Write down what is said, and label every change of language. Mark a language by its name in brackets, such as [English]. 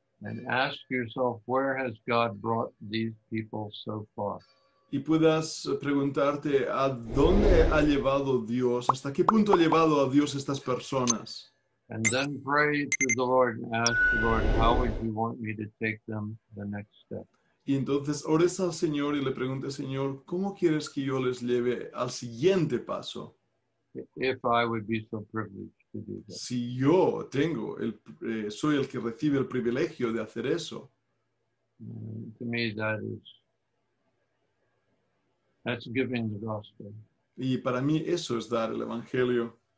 [English] And ask yourself, where has God brought these people so far? [Spanish] Y puedas preguntarte, ¿a dónde ha llevado Dios? ¿Hasta qué punto ha llevado a Dios estas personas? [English] And then pray to the Lord and ask the Lord, how would you want me to take them the next step? [Spanish] Y entonces ores al Señor y le pregunte, Señor, ¿cómo quieres que yo les lleve al siguiente paso? [English] If I would be so privileged to do that. [Spanish] Si yo tengo, soy el que recibe el privilegio de hacer eso. [English] To me, that's giving the gospel. [Spanish] Y para mí eso es dar el evangelio.